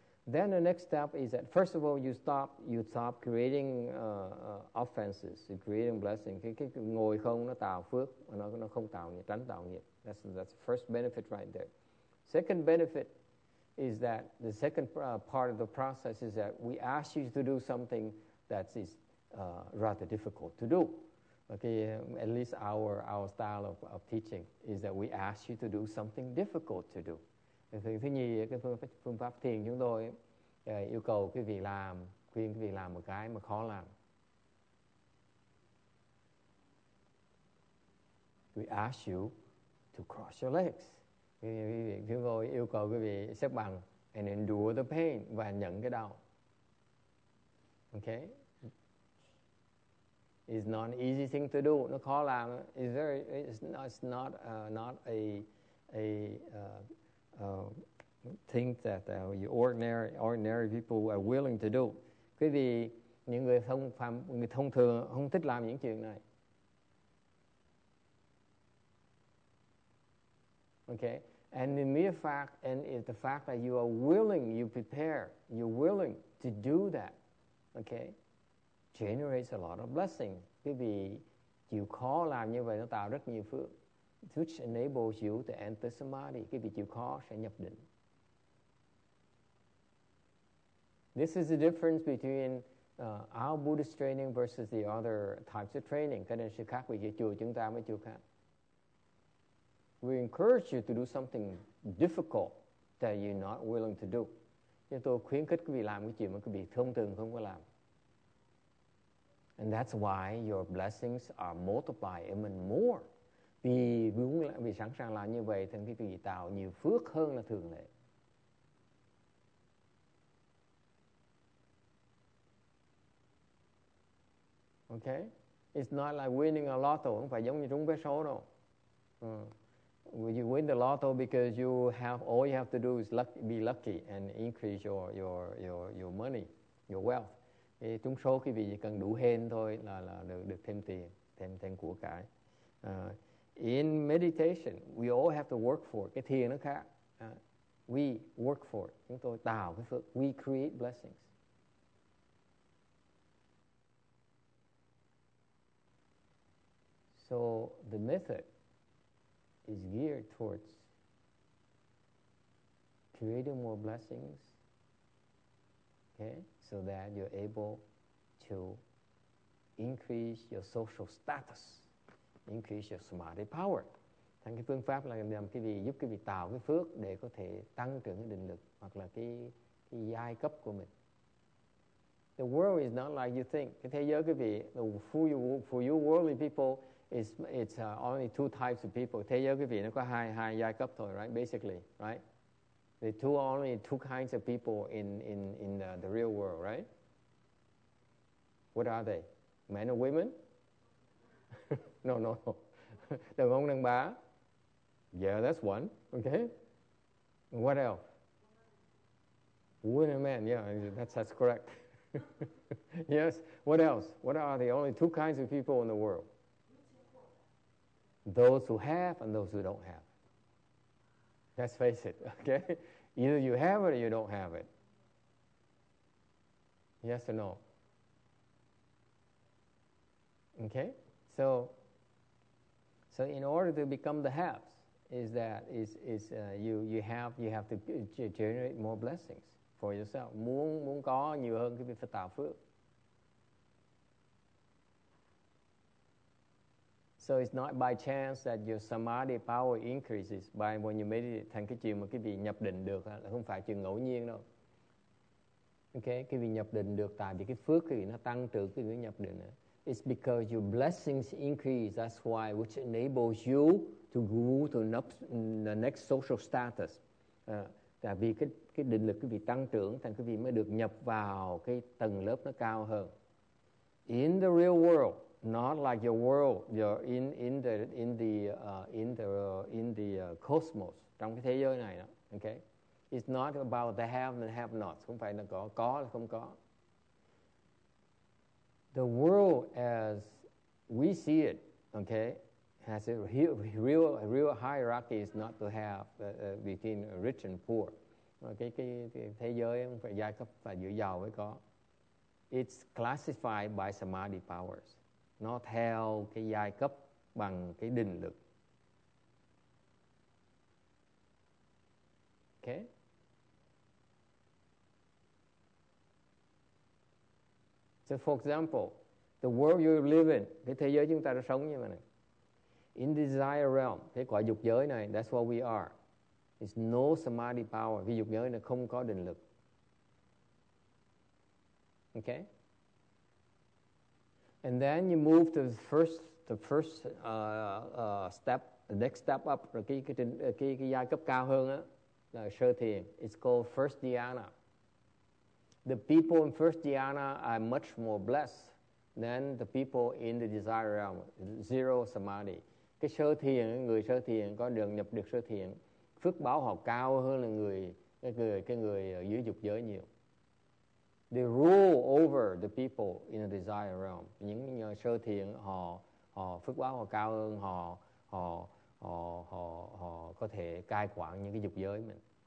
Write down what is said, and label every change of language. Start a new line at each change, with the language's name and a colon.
English: Then the next step is that first of all you stop creating offenses, you're creating blessing.
Vietnamese: Cái ngồi không nó tạo phước, nó không tạo nghiệp, tránh tạo nghiệp.
English: That's the first benefit right there. Second benefit is that the second part of the process is that we ask you to do something that is rather difficult to do. Okay, at least our style of teaching is that we ask you to do something difficult to do.
Vietnamese: Thứ nhì, cái phương pháp thiền chúng tôi yêu cầu quý vị làm, khuyên quý vị làm một cái mà khó làm.
English: We ask you to cross your legs.
Vietnamese: Chúng tôi yêu cầu quý vị xếp bằng
English: and endure the pain
Vietnamese: và nhận cái đau.
English: Okay? It's not an easy thing to do.
Vietnamese: Nó khó làm.
English: It's not a things that ordinary people are willing to do.
Vietnamese: Quý vị, những người thông phàm, người thông thường không thích làm những chuyện này.
English: Okay, and the mere fact, and if the fact that you are willing, you prepare, you're willing to do that, okay, generates a lot of blessing.
Vietnamese: Quý vị, chịu khó làm như vậy nó tạo rất nhiều phước.
English: Which enables you to enter samadhi.
Vietnamese: Quý vị chịu khó sẽ nhập định.
English: This is the difference between our Buddhist training versus the other types of training.
Vietnamese: Cái này sẽ khác với chùa chúng ta với chùa khác.
English: We encourage you to do something difficult that you're not willing to do.
Vietnamese: Nhưng tôi khuyến khích quý vị làm cái chuyện mà quý vị thông thường không có làm.
English: And that's why your blessings are multiplied even more.
Vietnamese: Vì muốn vì sẵn sàng làm như vậy, thành quý vị tạo nhiều phước hơn là thường lệ.
English: Okay, it's not like winning a lotto.
Vietnamese: Không phải giống như trúng vé số đâu.
English: You win the lotto because you have all you have to do is luck, be lucky and increase your money, your wealth.
Vietnamese: Trúng số quý vị chỉ cần đủ hên thôi là được thêm tiền, thêm của cải.
English: In meditation, we all have to work for it.
Vietnamese: Cái thiền nó khác.
English: We work for it.
Vietnamese: Chúng tôi tạo cái phước.
English: We create blessings. So the method is geared towards creating more blessings, okay, so that you're able to increase your social status, increase your samadhi power.
Vietnamese: Thành cái phương pháp là làm cái gì giúp cái gì tạo cái phước để có thể tăng trưởng cái định lực hoặc là cái giai cấp của mình.
English: The world is not like you think.
Vietnamese: Cái thế giới cái gì,
English: for you worldly people, It's only two types of people.
Vietnamese: Thế giới quý vị nó có hai giai cấp thôi, right?
English: Basically, right? There are only two kinds of people in the real world, right? What are they? Men or women? No.
Vietnamese: Đàn ông, đàn bà.
English: Yeah, that's one. Okay. What else? Women and men. Yeah, that's correct. Yes. What else? What are the only two kinds of people in the world? Those who have and those who don't have. Let's face it, okay? Either you have it or you don't have it. Yes or no? Okay? So in order to become the haves, you have to generate more blessings for yourself.
Vietnamese: Muốn có nhiều hơn thì phải tạo phước.
English: So it's not by chance that your samadhi power increases by when you meditate.
Vietnamese: Thành cái chuyện mà quý vị nhập định được là không phải chuyện ngẫu nhiên đâu. Okay, quý vị nhập định được tại vì cái phước quý vị nó tăng trưởng khi quý vị nhập định.
English: It's because your blessings increase. That's why, which enables you to move to the next social status.
Vietnamese: Tại vì cái định lực quý vị tăng trưởng, thành quý vị mới được nhập vào cái tầng lớp nó cao hơn.
English: In the real world, not like your world, you're in the cosmos,
Vietnamese: trong cái thế giới này đó,
English: okay? It's not about the have and have nots,
Vietnamese: không phải là có là không có.
English: The world as we see it, okay, has a real hierarchy is not to have between rich and poor.
Vietnamese: Cái thế giới không phải giai cấp phải giữa giàu với có.
English: It's classified by samadhi powers.
Vietnamese: Nó theo cái giai cấp bằng cái định lực.
English: Okay. So for example, the world you live in,
Vietnamese: cái thế giới chúng ta đã sống như vậy này.
English: In desire realm,
Vietnamese: cái quả dục giới này,
English: that's what we are. It's no samadhi power.
Vietnamese: Vì dục giới này không có định lực.
English: Okay. And then you move to the first step, the next step up,
Vietnamese: cái giai cấp cao hơn á, là sơ thiền.
English: It's called first dhyana. The people in first dhyana are much more blessed than the people in the desire realm, zero samadhi.
Vietnamese: Cái sơ thiền, người sơ thiền có đường nhập được sơ thiền, phước báo họ cao hơn là người cái người ở dưới dục giới nhiều.
English: They rule over the people in the desire realm.
Vietnamese: Những sơ thiện họ phước báo họ cao hơn, họ có thể cai quản những cái dục giới mình.